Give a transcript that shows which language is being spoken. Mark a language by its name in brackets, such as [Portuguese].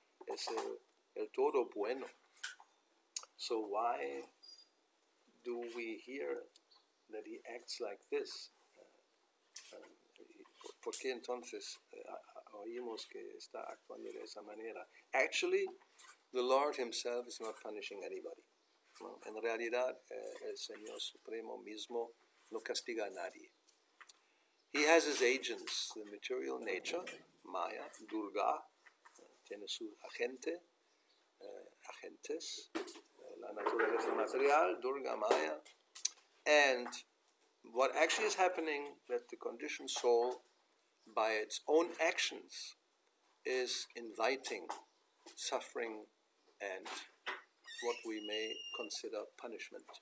[Spanish] Es el todo bueno. [English] So why do we hear that he acts like this? [Spanish] ¿Por qué entonces oímos que está actuando de esa manera? [English] Actually, the Lord himself is not punishing anybody. [Spanish] No. En realidad, el Señor Supremo mismo no castiga a nadie. [English] He has his agents, the material nature, Maya, Durga, [Spanish] tiene su agente, agentes, la naturaleza material, Durga, Maya, [English] and what actually is happening, that the conditioned soul, by its own actions, is inviting suffering and what we may consider punishment.